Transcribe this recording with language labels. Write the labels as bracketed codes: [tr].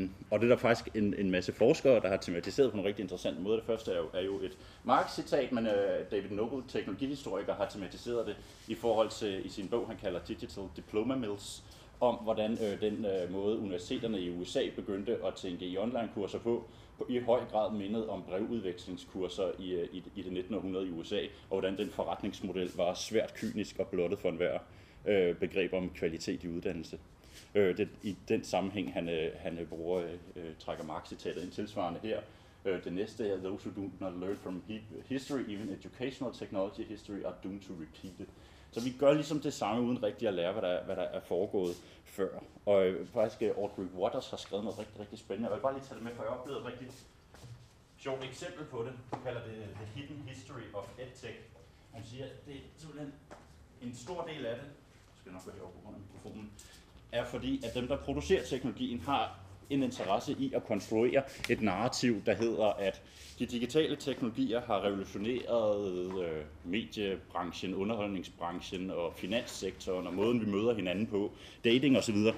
[da] Og det er der faktisk en masse forskere, der har tematiseret på en rigtig interessant måde. Det første er jo et Marx-citat, men David Noble, teknologihistoriker, har tematiseret det i forhold til i sin bog, han kalder Digital Diploma Mills, om hvordan den måde universiteterne i USA begyndte at tænke i online-kurser på i høj grad mindet om brevudvekslingskurser i det 19. århundrede i USA, og hvordan den forretningsmodel var svært kynisk og blottet for enhver begreb om kvalitet i uddannelse. Det i den sammenhæng, han trækker Marx-citatet ind tilsvarende her. Det næste er, [en] those who do not learn from history, even educational technology history, are doomed to repeat it. [da] Så vi gør ligesom det samme, uden rigtig at lære, hvad der er foregået før. Og faktisk Audrey Waters har skrevet noget rigtig, rigtig spændende. Jeg vil bare lige tage det med, for jeg oplevede et rigtig sjovt eksempel på det. Hun kalder det The Hidden History of EdTech. Hun siger, at det er simpelthen en stor del af det, skal nok gå herovre på grund af mikrofonen, er fordi, at dem, der producerer teknologien, har en interesse i at konstruere et narrativ, der hedder, at de digitale teknologier har revolutioneret mediebranchen, underholdningsbranchen og finanssektoren og måden, vi møder hinanden på, dating osv.